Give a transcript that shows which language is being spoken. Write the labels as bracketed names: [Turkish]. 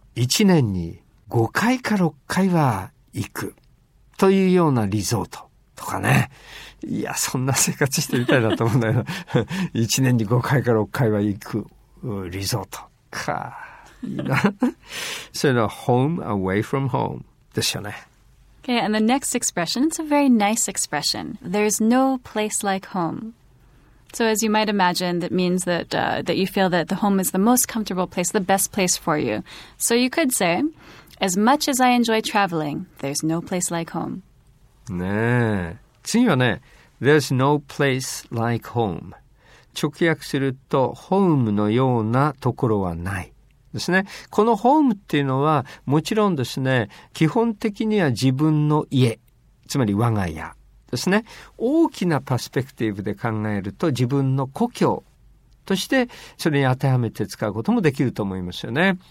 [Japanese] 1年に5回か6回は行くというようなリゾートとかね。いや、そんな生活してみたいなと思うんだけど、1年に5回か6回は行くリゾートか。いいな。そういうのは home away from home ですよね。 [English] Okay, and the next expression, it's a very nice expression. There's no place like home. So as you might imagine, that means that, that you feel that the home is the most comfortable place, the best place for you. So you could say, as much as I enjoy traveling, there's no place like home. [Japanese] ねえ。次はね、 [English] there's no place like home. [Japanese] 直訳すると、ホームのようなところはない。ですね。このホームっていうのは、もちろんですね、基本的には自分の家、つまり我が家ですね。大きなパスペクティブで考えると、自分の故郷として、それに当てはめて使うこともできると思いますよね。